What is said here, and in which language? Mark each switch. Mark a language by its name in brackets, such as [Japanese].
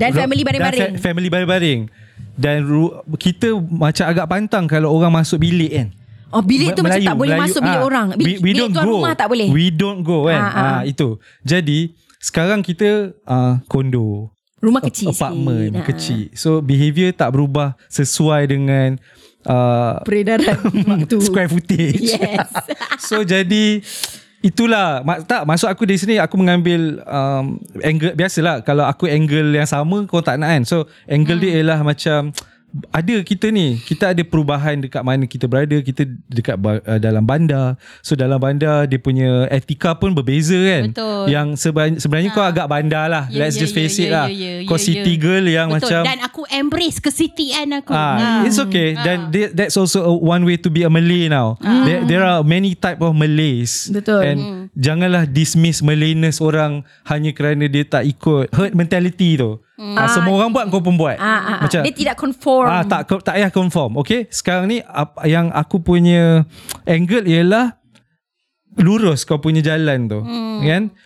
[Malay] dan family baring-baring. Dan family baring-baring. Dan kita macam agak pantang kalau orang masuk bilik kan. Oh, bilik tu Melayu, macam tak boleh masuk bilik orang. [English] We don't go. [Malay] Rumah tak boleh. [English] We don't go [Malay] kan. Itu. Jadi sekarang kita kondo. Rumah kecil. Apartment kecil. So behavior tak berubah sesuai dengan peredaran waktu [English] square footage. Yes. [Malay] So jadi itulah, tak maksud aku di sini aku mengambil angle biasalah, kalau aku angle yang sama kau tak nak kan. So angle dia ialah macam ada kita ni, kita ada perubahan dekat mana kita berada. Kita dekat dalam bandar. So dalam bandar dia punya etika pun berbeza kan. Betul. Yang sebenarnya kau agak bandar lah. [English] Let's just face it [Malay] lah. City girl yang betul. Macam dan aku embrace kesitian aku. [English] It's okay. Dan that's also one way to be a Malay now. There are many type of Malays. [Malay] Betul. And janganlah dismiss Malayness orang hanya kerana dia tak ikut [English] herd mentality [Malay] tu. Semua orang buat, kau pun buat. Macam, dia tidak conform. Tak payah conform. Okay. Sekarang ni apa yang aku punya angle ialah lurus kau punya jalan tu. Kan?